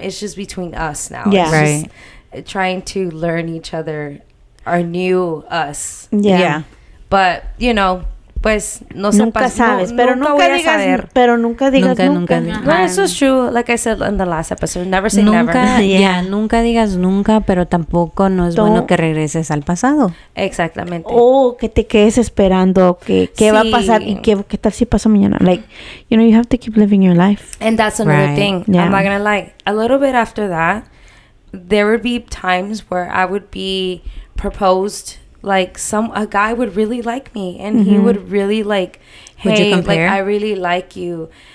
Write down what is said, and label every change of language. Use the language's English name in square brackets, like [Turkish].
[English] It's just between us now. Yeah. right. Just trying to learn each other, our new us. Yeah. Yeah. But, you know, [Spanish] pues no nunca sabes, pero nunca digas, nunca. Well, eso es true. [English] Like I said in the last episode, never say [Spanish] nunca, [English] never. Yeah. [Spanish] Nunca digas nunca, pero tampoco no es bueno que regreses al pasado. Exactamente. O que te quedes esperando que va a pasar y qué tal si pasa mañana. [English] Like, you know, you have to keep living your life. And that's another thing. Yeah. I'm not gonna lie. A little bit after that, there would be times where I would be proposed. Like a guy would really like me, and he would really like, hey, like, I really like you.